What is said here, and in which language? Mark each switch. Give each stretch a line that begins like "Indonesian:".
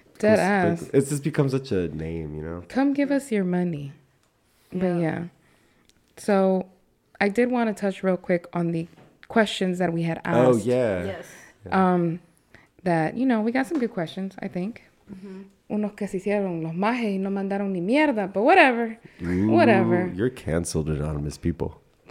English: dead ass. It just becomes such a name, you know. Come give us your money. Yeah. But yeah, so I did want to touch real quick on the questions that we had asked. Oh yeah. Yes. That, you know, we got some good questions, I think.
Spanish: Unos que se hicieron los majes y no mandaron ni mierda,
English: but whatever. Ooh, whatever. You're canceled, anonymous people.